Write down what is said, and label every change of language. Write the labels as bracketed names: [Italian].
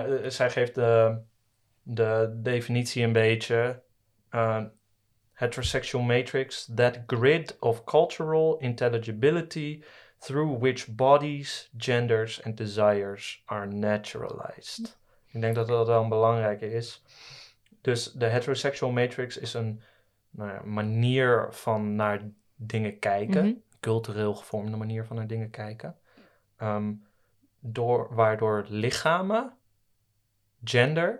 [Dutch] Zij geeft de definitie een beetje. [English] Heterosexual matrix, that grid of cultural intelligibility through which bodies, genders and desires are naturalized. [Dutch] Ja. Ik denk dat dat wel een belangrijke is. Dus de heterosexual matrix is een manier van naar dingen kijken, mm-hmm. cultureel gevormde manier van naar dingen kijken, waardoor lichamen, gender